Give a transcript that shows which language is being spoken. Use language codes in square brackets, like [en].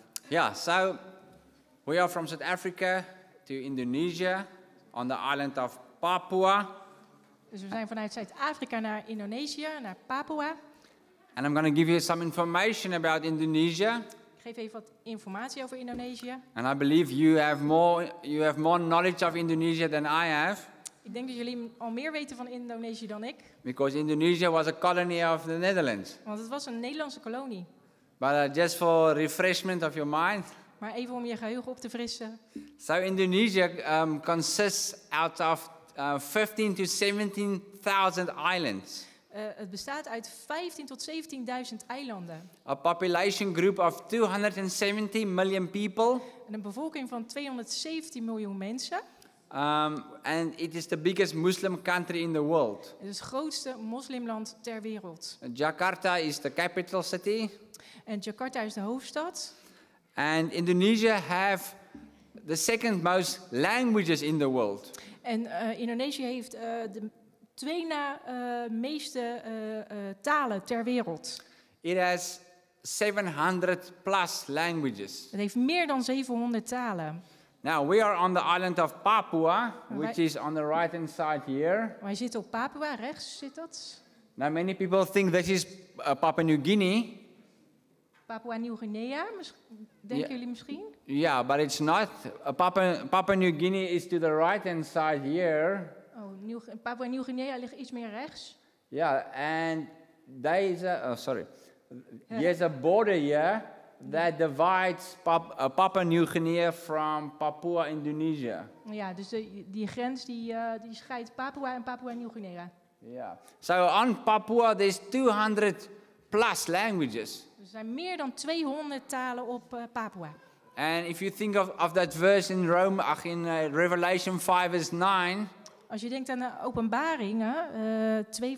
[en] Yeah, so we are from South Africa to Indonesia on the island of Papua. [nl] Dus we zijn vanuit Zuid-Afrika naar Indonesië, naar Papua. [en] And I'm going to give you some information about Indonesia. [nl] Ik geef even wat informatie over Indonesië. [en] And I believe you have more knowledge of Indonesia than I have. [nl] Ik denk dat jullie al meer weten van Indonesië dan ik. [en] Because Indonesia was a colony of the Netherlands. [nl] Want het was een Nederlandse kolonie. [en] But just for refreshment of your mind. [nl] Maar even om je geheugen op te frissen. [en] So Indonesia consists out of 15 to 17,000 islands. [nl] Het bestaat uit 15 tot 17.000 eilanden. [en] A population group of 270 million people. [nl] En een bevolking van 217 miljoen mensen. [en] And it is the biggest Muslim country in the world. [nl] Het is het grootste moslimland ter wereld. [en] Jakarta is the capital city. [nl] En Jakarta is de hoofdstad. [en] And Indonesia have the second most languages in the world. [nl] En Indonesië heeft de twee na meeste talen ter wereld. [en] It has 700 plus languages. [nl] Het heeft meer dan 700 talen. [en] Now we are on the island of Papua, which is on the right hand side here. [nl] Wij zitten op Papua, rechts zit dat. [en] Now many people think this is Papua New Guinea. [nl] Papua Nieuw-Guinea, denken jullie misschien? [en] Yeah, but it's not. Papua New Guinea is to the right hand side here. [nl] Oh, Papua Nieuw-Guinea ligt iets meer rechts. [en] Yeah, and there is a, there's a border here that divides Papua Nieuw-Guinea from Papua Indonesia. [nl] Ja, dus die grens die scheidt Papua en Papua Nieuw-Guinea. Ja. Yeah. [en] So on Papua there's 200 plus languages. [nl] Er zijn meer dan 200 talen op Papua. [en] And if you think of that verse in Rome, in Revelation 5 verse 9. [nl] Als je denkt aan de Openbaringen 5